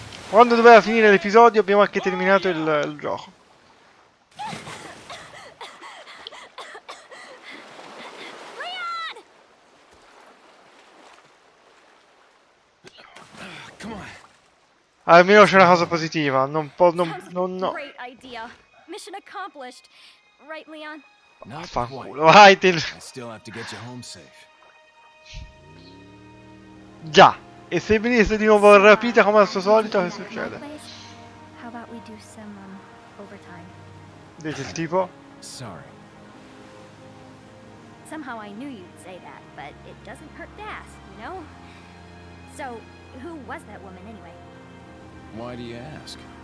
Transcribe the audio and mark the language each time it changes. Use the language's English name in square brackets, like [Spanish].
[Italian] Quando doveva finire l'episodio, abbiamo anche terminato il gioco. Almeno c'è una cosa positiva. Non può. No. [English] Mission accomplished, right, Leon? Not quite. Why did I still have to get you home safe? [Italian] Già. E se venisse di nuovo rapita come al suo solito, che succede? [English] How about we do some overtime? [Italian] Dice il tipo. [English] Sorry. Somehow I knew you'd say that, but it doesn't hurt to ask, you know? So, who was that woman anyway? Why do you ask?